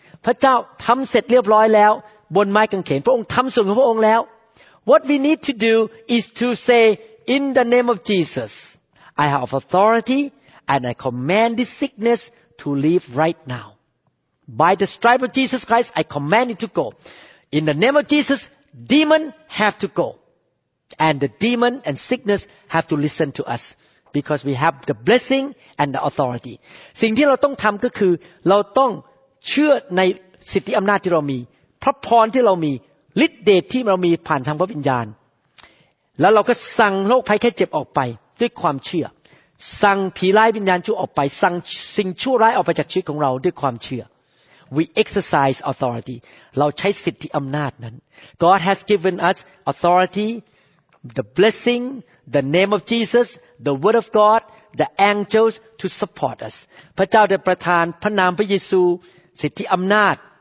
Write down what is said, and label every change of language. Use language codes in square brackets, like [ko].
[th] พระเจ้าทำเสร็จเรียบร้อยแล้วบนไม้กางเขนพระองค์ทำส่วนของพระองค์แล้ว [en] What we need to do is to sayIn the name of Jesus, I have authority and I command this sickness to leave right now. By the stripes of Jesus Christ, I command it to go. In the name of Jesus, demon have to go. And the demon and sickness have to listen to us because we have the blessing and the authority. [th] สิ่งที่เราต้องทำก็คือเราต้องเชื่อในสิทธิอำนาจที่เรามีพระพรที่เรามีฤทธิ์เดชที่เรามีผ่านทางพระวิญญาณ แล้วเราก็สั่งโรคภัยแค่เจ็บออกไปด้วยความเชื่อสั่งผีร้ายวิญญาณชั่วออกไปสั่งสิ่งชั่วร้ายออกไปจากชีวิตของเราด้วยความเชื่อ [en] We exercise authority [th] เราใช้สิทธิอำนาจนั้น [en] God has given us authority the blessing the name of Jesus the word of God the angels to support us [th] พระเจ้าได้ประทานพระนามพระเยซูสิทธิอำนาจ